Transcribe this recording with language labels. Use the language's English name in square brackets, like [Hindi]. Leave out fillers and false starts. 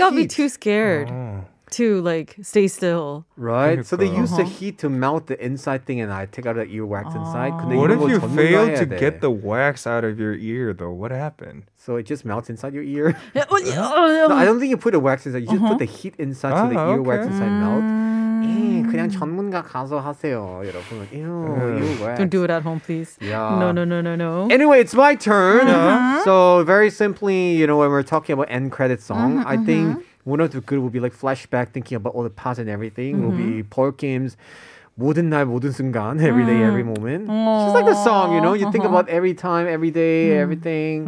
[English] I'll be too scared. To like stay still, right? So they use the heat to melt the inside thing, and I take out the ear wax inside. What if you fail to get the wax out of your ear, though? What happened? So it just melts inside your ear. No, I don't think you put the wax inside. You just put the heat inside, so the ear wax inside melt. [Korean] 그냥 전문가 가서 하세요, 여러분. [English] Don't do it at home, please. Yeah. No. Anyway, it's my turn. So very simply, you know, when we're talking about end credit song, I think. One of the good will be like flashback, thinking about all the past and everything. Will be Paul Kim's 모든 날 모든 순간, every day, every moment. Just like the song, you know? You think about every time, every day, everything.